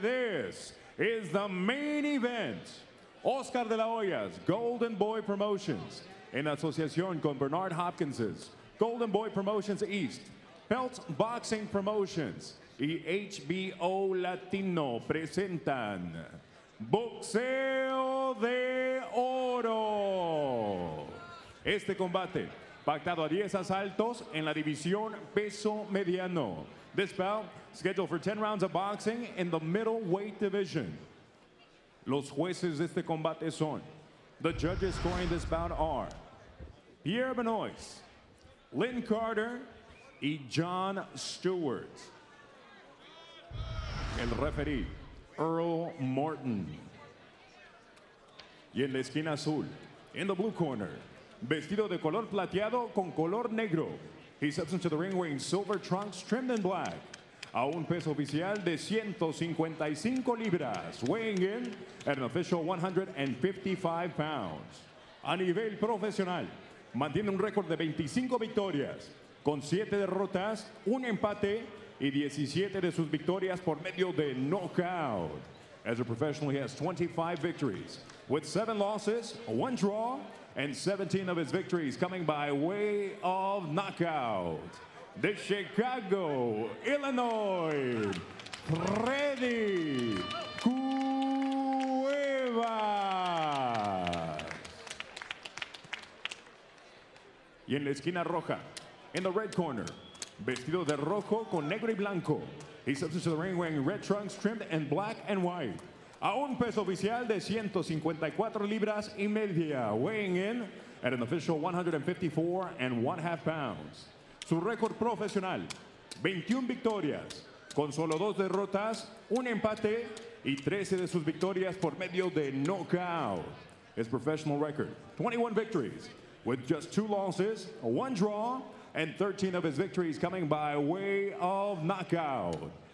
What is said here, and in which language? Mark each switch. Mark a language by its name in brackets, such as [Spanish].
[English] This is the main event. [Spanish] Oscar de la Hoya's Golden Boy Promotions, en asociación con Bernard Hopkins's Golden Boy Promotions East, Pelt Boxing Promotions y HBO Latino presentan Boxeo de Oro. Este combate, pactado a 10 asaltos en la división peso mediano. [English] This bout scheduled for 10 rounds of boxing in the middleweight division. [Spanish] Los jueces de este combate son: [English] the judges scoring this bout are [Spanish] Pierre Benoist, Lynn Carter y John Stewart. El referee, Earl Morton. Y en la esquina azul, [English] in the blue corner, [Spanish] vestido de color plateado con color negro. [English] He steps into the ring wearing silver trunks trimmed in black. [Spanish] A un peso oficial de 155 libras, [English] weighing in at an official 155 pounds. [Spanish] A nivel profesional, mantiene un récord de 25 victorias, con 7 derrotas, un empate y 17 de sus victorias por medio de knockout. [English] As a professional, he has 25 victories, with 7 losses, 1 draw, and 17 of his victories coming by way of knockout. [Spanish] De Chicago, Illinois, Freddy Cuevas. Y en la esquina roja, [English] in the red corner, [Spanish] vestido de rojo con negro y blanco. [English] He steps into the ring wearing red trunks trimmed in black and white. [Spanish] A un peso oficial de 154 libras y media, [English] weighing in at an official 154 and one half pounds. [Spanish] Su récord profesional, 21 victorias, con solo 2 derrotas, 1 empate y 13 de sus victorias por medio de knockout. [English] His professional record, 21 victories with just 2 losses, 1 draw, and 13 of his victories coming by way of knockout.